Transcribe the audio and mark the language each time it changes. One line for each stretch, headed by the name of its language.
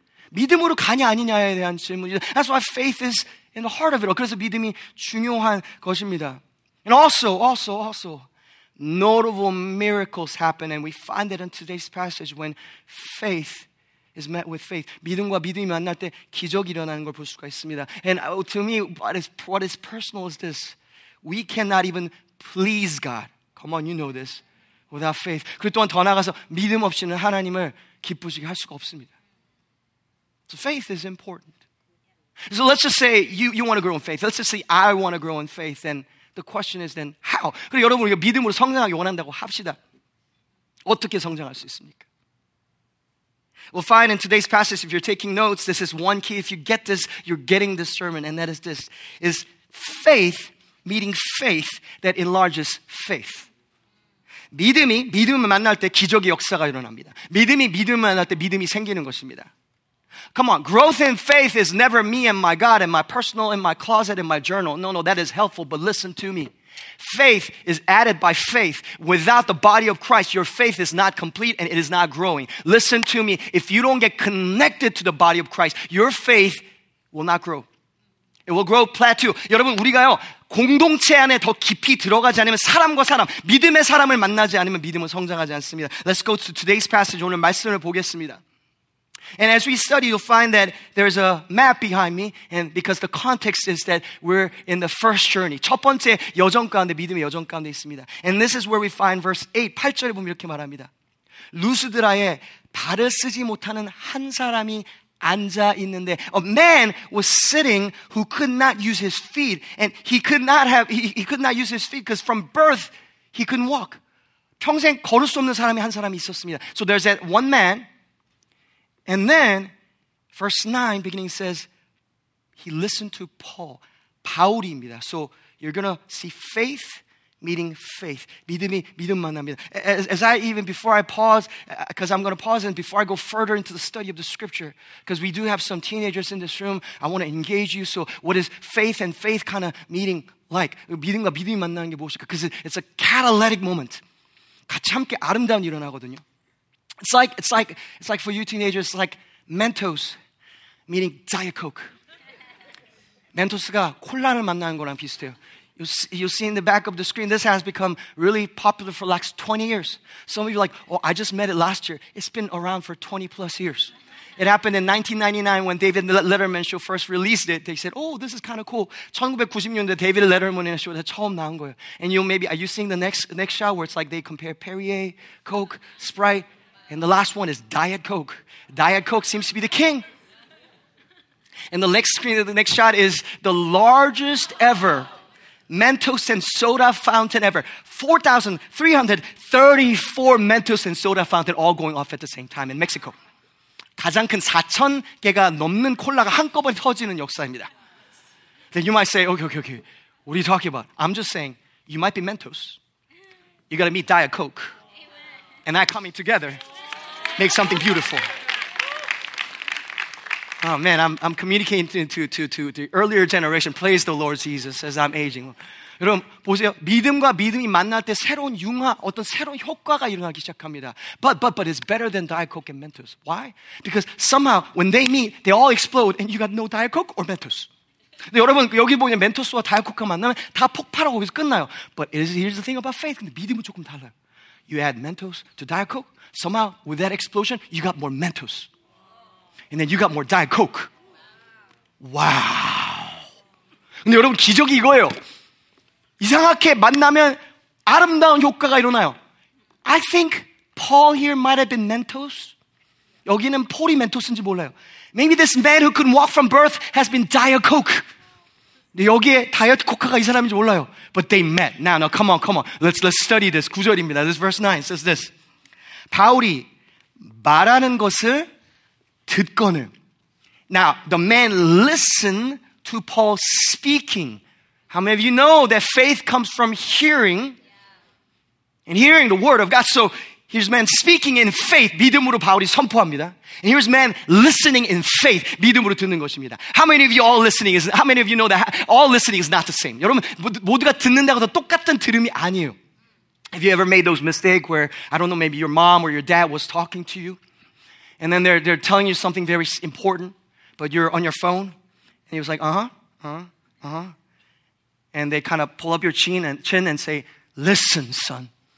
Korean: 믿음으로 가냐 아니냐에 대한 질문이죠.
English: That's why faith is in the heart of it all.
Korean: 그래서 믿음이 중요한 것입니다.
English: And also, notable miracles happen, and we find it in today's passage when faith is met with faith.
Korean: 믿음과 믿음이 만날 때 기적이 일어나는 걸 볼 수가 있습니다.
English: And to me, what is personal is this. We cannot even please God. Come on, you know this. Without faith.
Korean: 그리고 또한 더 나아가서 믿음 없이는 하나님을 기쁘시게 할 수가 없습니다.
English: So faith is important. So let's just say you want to grow in faith. Let's just say I want to grow in faith, and the question is then how?
Korean: 그래, 여러분 우리가 믿음으로 성장하기 원한다고 합시다. 어떻게 성장할 수 있습니까?
English: Well, fine, in today's passage, if you're taking notes, this is one key. If you get this, you're getting this sermon, and that is this, is faith meeting faith that enlarges faith.
Korean: 믿음이 믿음을 만날 때 기적의 역사가 일어납니다. 믿음이 믿음을 만날 때 믿음이 생기는 것입니다.
English: Come on, growth in faith is never me and my God and my personal in my closet in my journal. No, that is helpful, but listen to me. Faith is added by faith. Without the body of Christ, your faith is not complete and it is not growing. Listen to me. If you don't get connected to the body of Christ, your faith will not grow. It will grow plateau.
Korean: 여러분, 우리가요, 공동체 안에 더 깊이 들어가지 않으면 사람과 사람, 믿음의 사람을 만나지 않으면 믿음은 성장하지 않습니다.
English: Let's go to today's passage.
Korean: 오늘 말씀을 보겠습니다.
English: And as we study, you'll find that there's a map behind me, and because the context is that we're in the first journey.
Korean: 첫 번째 여정 가운데, 믿음의 여정 가운데 있습니다.
English: And this is where we find verse 8,
Korean: 8절에 보면 이렇게 말합니다. 루스드라에 발을 쓰지 못하는 한 사람이 앉아 있는데,
English: a man was sitting who could not use his feet, and he could not use his feet because from birth, he couldn't walk.
Korean: 평생 걸을 수 없는 사람이 한 사람이 있었습니다.
English: So there's that one man. And then, verse 9, beginning says, he listened to Paul.
Korean: 바울입니다.
English: So, you're going to see faith meeting faith.
Korean: 믿음이 믿음 만납니다.
English: Before I go further into the study of the scripture, because we do have some teenagers in this room, I want to engage you. So, what is faith and faith kind of meeting like?
Korean: 믿음과 믿음이 만나는 게 무엇일까?
English: Because it's a catalytic moment.
Korean: 같이 함께 아름다운 일이 일어나거든요.
English: It's like for you teenagers, it's like Mentos meeting Diet Coke.
Korean: Mentos가 콜라를 만나는 거랑 비슷해요.
English: You see in the back of the screen, this has become really popular for like 20 years. Some of you are like, oh, I just met it last year. It's been around for 20 plus years. It happened in 1999 when David Letterman show first released it. They said, oh, this is kind of cool.
Korean: 1990년대 David Letterman show 처음 나온 거예요.
English: And you maybe, are you seeing the next shot where it's like they compare Perrier, Coke, Sprite, and the last one is Diet Coke. Diet Coke seems to be the king. And the next screen, the next shot is the largest ever Mentos and soda fountain ever. 4,334 Mentos and soda fountain all going off at the same time in Mexico.
Korean: 가장 큰 4,000 개가 넘는 콜라가 한꺼번에 터지는 역사입니다.
English: Then you might say, okay. What are you talking about? I'm just saying, you might be Mentos. You got to meet Diet Coke. And that coming together makes something beautiful. Oh man, I'm communicating to the earlier generation. Praise the Lord Jesus as I'm aging.
Korean: 여러분 보세요. 믿음과 믿음이 만날 때 새로운 융화, 어떤 새로운 효과가 일어나기 시작합니다.
English: But it's better than Diet Coke and Mentos. Why? Because somehow when they meet, they all explode and you got no Diet Coke or Mentos.
Korean: 근데 여러분 여기 보면 멘토스와 다이어트 코크가 만나면 다 폭발하고 거기서 끝나요.
English: But here's the thing about faith.
Korean: 근데 믿음은 조금 달라요.
English: You add Mentos to Diet Coke, somehow with that explosion, you got more Mentos. And then you got more Diet Coke. Wow.
Korean: 근데 여러분, 기적이 이거예요. 이상하게 만나면 아름다운 효과가 일어나요.
English: I think Paul here might have been Mentos.
Korean: 여기는 폴이 멘토스인지 몰라요.
English: Maybe this man who couldn't walk from birth has been Diet Coke.
Korean: 근데 여기에 다이어트 코카가 이 사람인지 몰라요.
English: But they met. Now, come on. Let's study this.
Korean: 구절입니다.
English: This verse 9 says this.
Korean: 바울이 말하는 것을 듣거늘.
English: Now, the man listened to Paul speaking. How many of you know that faith comes from hearing? And hearing the word of God. So here's man speaking in faith.
Korean: 믿음으로 바울이 선포합니다.
English: And here's man listening in faith.
Korean: 믿음으로 듣는 것입니다.
English: How many of you know that all listening is not the same?
Korean: 여러분, 모두가 듣는다고 해서 똑같은 들음이 아니에요.
English: Have you ever made those mistakes where, I don't know, maybe your mom or your dad was talking to you, and then they're telling you something very important, but you're on your phone, and he was like, and they kind of pull up your chin and say, listen, son.